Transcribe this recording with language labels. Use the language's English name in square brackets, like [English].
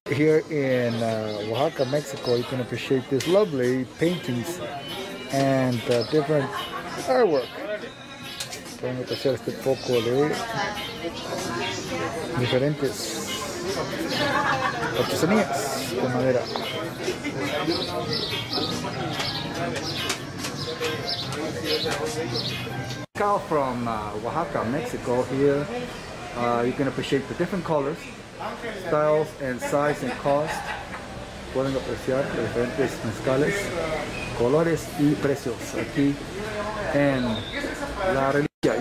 [English] Here in Oaxaca, Mexico, you can appreciate these lovely paintings and different artwork. [Spanish] Pueden apreciar este poco de diferentes artesanías de madera. [English] Cal from Oaxaca, Mexico, here you can appreciate the different colors, styles and size and cost. [Spanish] Pueden apreciar diferentes mezcales, colores y precios aquí en la reliquia.